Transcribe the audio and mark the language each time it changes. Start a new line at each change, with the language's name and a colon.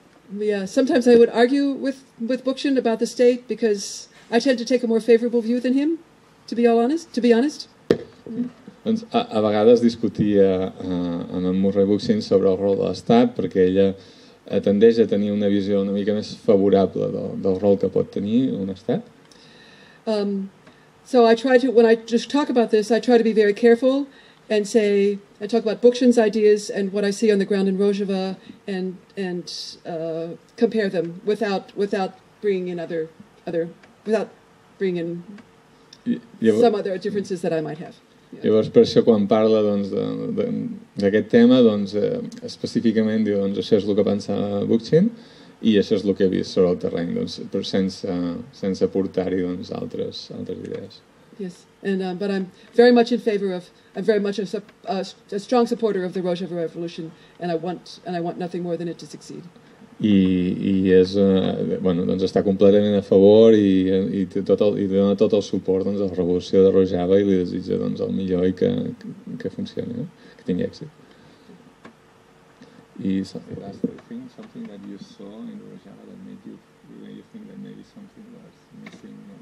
English: Yeah, sometimes I would argue with Bookchin about the state because I tend to take a more favorable view than him, to be honest.
Catalan: Doncs a vegades discutia amb en Murray Bookchin sobre el rol de l'Estat perquè ella tendeix a tenir una visió una mica més favorable del rol que pot tenir un Estat.
English: So I try to, when I just talk about this, I try to be very careful and say, I talk about Bookchin's ideas and what I see on the ground in Rojava and compare them without bringing in some other differences that I might have.
Catalan: Llavors, per això, quan parla d'aquest tema, doncs, específicament diu, doncs, això és el que pensa Bookchin i això és el que he vist sobre el terreny, doncs, però sense portar-hi doncs, altres idees.
English: Yes, and but I'm very much in favor of, I'm very much a strong supporter of the Rojava Revolution, and I want nothing more than it to succeed.
Catalan: I és, bueno, doncs està completament a favor i dona tot el suport doncs, a la revolució de Rojava i li desitja doncs, el millor i que funcioni, no? Que tingui èxit. I
English: something that you saw in Rojava that made you think that maybe something was missing